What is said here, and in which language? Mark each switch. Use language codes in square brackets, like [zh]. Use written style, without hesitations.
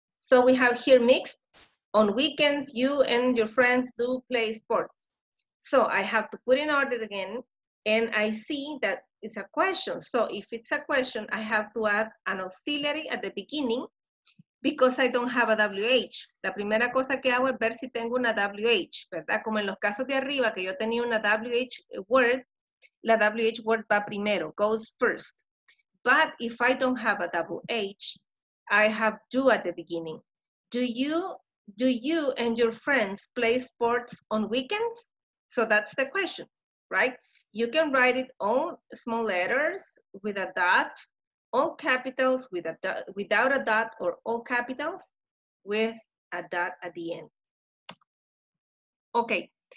[en] So we have here mixed, on weekends, you and your friends do play sports. So I have to put in order again, and I see that it's a question. So if it's a question, I have to add an auxiliary at the beginning because I don't have a WH. [es] La primera cosa que hago es ver si tengo una WH, ¿verdad? Como en los casos de arriba que yo tenía una WH word, la WH word va primero, [en] goes first. But if I don't have a WH, I have do at the beginning. Do you and your friends play sports on weekends? So that's the question, right? You can write it all small letters with a dot, all capitals with a dot, without a dot, or all capitals with a dot at the end. Okay.